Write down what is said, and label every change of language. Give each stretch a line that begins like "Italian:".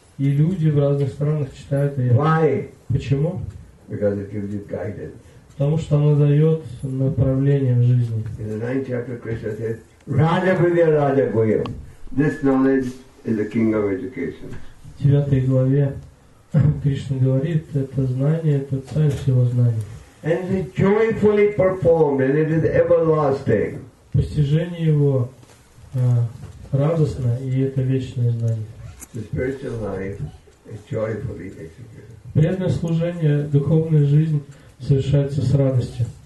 Russian: И люди в разных странах читают ее.
English: Why?
Russian: Почему?
English: Because it gives you guidance.
Russian: Потому что она дает направление в жизни.
English: In the 9th chapter, Krishna says,
Sanskrit: Raja Vidya Raja Goyam.
English: This knowledge is the king of education.
Russian: В 9 главе Кришна говорит, это знание, это царь всего знаний.
English: And it is joyfully performed, and it is everlasting.
Russian: Постижение его радостно, и это вечное знание.
English: The spiritual life is joyfully executed.
Russian: Преданное служение, духовная жизнь совершается с радостью.